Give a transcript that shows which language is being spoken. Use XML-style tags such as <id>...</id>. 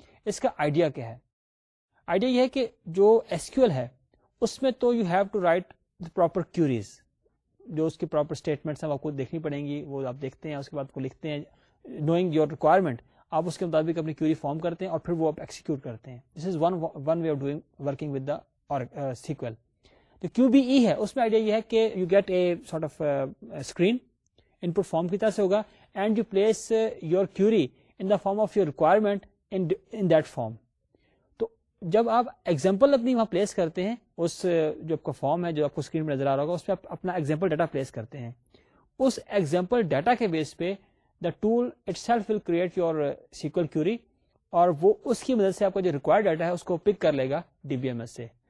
<ur>اس کا آئیڈیا کیا ہے؟ آئیڈیا یہ ہے کہ جو ایس کیو ایل ہے اس میں تو</ur> <en>you have to write the proper queries,</en> <ur>جو اس کی پراپر اسٹیٹمنٹس ہیں وہ آپ کو دیکھنی پڑیں گی, وہ آپ دیکھتے ہیں اس کے بعد کو لکھتے ہیں.</ur> <en>knowing your requirement</en> <ur>آپ اس کے مطابق اپنی کیوری فارم کرتے ہیں اور پھر وہ آپ ایکسیکیوٹ کرتے ہیں.</ur> <en>This is one way of doing working with the SQL.</en> <ur>جو کیو بی ای ہے اس میں آئیڈیا یہ ہے کہ</ur> <en>you get a sort of screen,</en> <ur>in put form کی طرح سے ہوگا,</ur> <en>And you place your query in the form of your requirement in that form.</en> <ur>تو جب آپ ایگزامپل اپنی وہاں پلیس کرتے ہیں, اس جو آپ کا فارم ہے جو آپ کو اسکرین پہ نظر آ رہا ہوگا, اس پہ آپ اپنا ایگزامپل ڈیٹا پلیس کرتے ہیں, اس ایگزامپل ڈیٹا کے بیس پہ</ur> <en>the tool itself will create your SQL query,</en> <ur>اور وہ اس کی مدد سے آپ کا جو ریکوائرڈ ڈیٹا ہے اس کو پک کر لے گا ڈی بی ایم ایس سے.</ur>